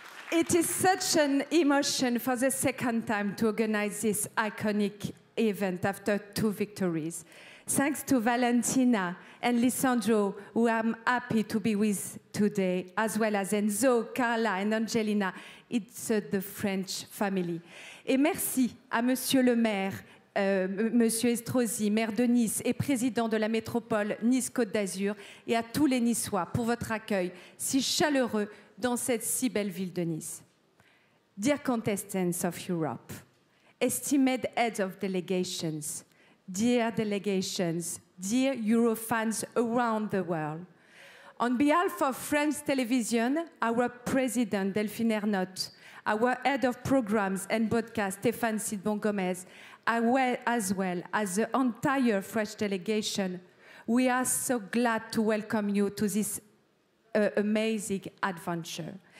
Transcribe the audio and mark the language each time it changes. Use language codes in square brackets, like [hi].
[en] It is such an emotion for the second time to organize this iconic event after two victories. Thanks to Valentina and Lisandro, who I'm happy to be with today, as well as Enzo, Carla and Angelina. It's the French family. [fr] Et merci à Monsieur le Maire Monsieur Estrosi, maire de Nice et président de la métropole Nice-Côte d'Azur, et à tous les Niçois pour votre accueil si chaleureux dans cette si belle ville de Nice. [en] Dear contestants of Europe, esteemed heads of delegations, dear delegations, dear Eurofans around the world, on behalf of France Television, our president Delphine Ernotte, our head of programs and broadcast Stéphane Sidbon-Gomez, as well as the entire French delegation, we are so glad to welcome you to this amazing adventure.